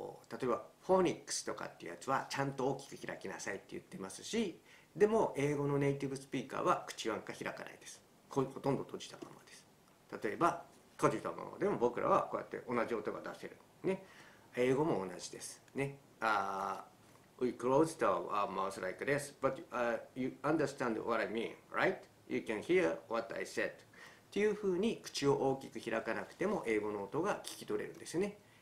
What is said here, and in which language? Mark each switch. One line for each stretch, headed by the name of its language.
Japanese: 例えばフォニックスとかっていうやつはちゃんと大きく開きなさいって言ってますし、でも英語のネイティブスピーカーは口なんか開かないです。ほとんど閉じたままです。例えば閉じたままでも僕らはこうやって同じ音が出せるね。英語も同じですね。
English: We closed our mouth like this, but you understand what I mean, right? You can hear what I said.
Japanese: っていうふうに口を大きく開かなくても英語の音が聞き取れるんですね。